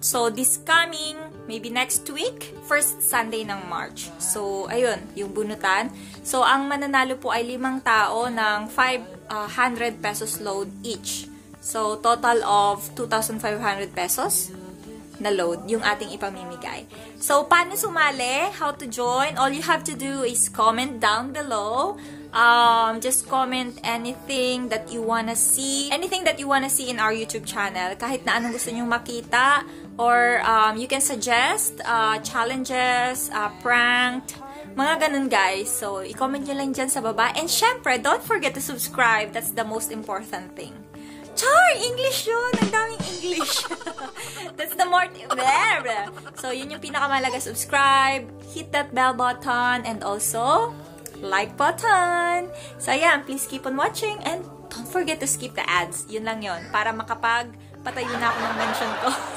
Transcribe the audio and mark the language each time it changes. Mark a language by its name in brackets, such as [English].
[English] So, this coming, maybe next week, first Sunday ng March. [Filipino] So, ayun, yung bunutan. So, ang mananalo po ay 5 tao ng 500 pesos load each. [English] So, total of 2,500 pesos [Filipino] na load yung ating ipamimigay. So, paano sumali? [English] How to join? All you have to do is comment down below. Just comment anything that you wanna see. Anything that you wanna see in our YouTube channel. [Filipino] Kahit na anong gusto nyong makita. [English] Or you can suggest challenges, pranked, [Filipino] mga ganun guys. So, i-comment nyo lang dyan sa baba. [English] And syempre, don't forget to subscribe. That's the most important thing. [Filipino] Char! English yun! Ang daming English! [English] That's the more... [Filipino] So, yun yung pinakamalaga. [English] Subscribe, hit that bell button, and also... like button. So yeah, please keep on watching and don't forget to skip the ads. [Filipino] Yun lang yun. Para makapag patayin na ako ng mention ko.